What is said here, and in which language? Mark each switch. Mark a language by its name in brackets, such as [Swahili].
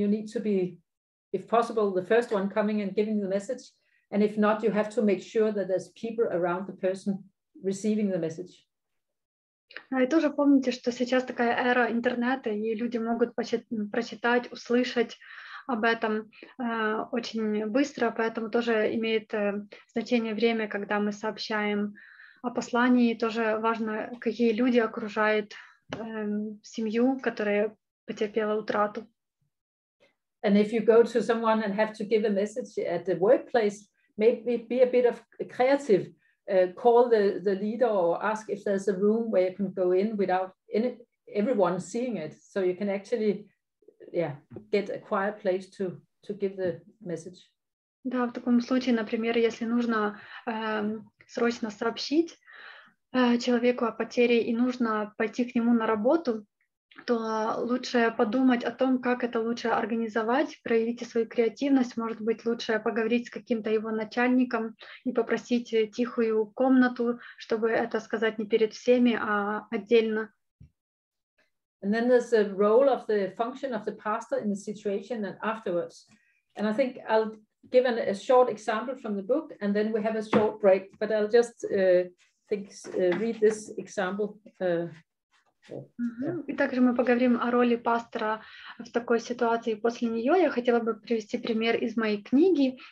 [English] You need to be, if possible, the first one coming and giving the message. And if not, you have to make sure that there's people around the person receiving the message. [Russian] И тоже помните, что сейчас такая эра интернета, и люди могут прочитать, услышать об этом очень быстро, поэтому тоже имеет значение время, когда мы сообщаем о послании. Тоже важно, какие люди окружают семью, которая потерпела утрату. [English] And if you go to someone and have to give a message at the workplace, maybe be a bit of creative. Call the leader or ask if there's a room where you can go in without everyone seeing it, so you can actually get a quiet place to give the message. [Russian] Да, в таком случае, например, если нужно срочно сообщить человеку о потере и нужно пойти к нему на работу, то лучше подумать о том, как это лучше организовать, проявите свою креативность, может быть, лучше поговорить с каким-то его начальником и попросить тихую комнату, чтобы это сказать не перед всеми, а отдельно. [English] And then there's the role of the function of the pastor in the situation and afterwards. And I think I'll give a short example from the book and then we have a short break, but I'll just read this example [Russian] И также мы поговорим о роли пастора в такой ситуации. После нее я хотела бы привести пример из моей книги.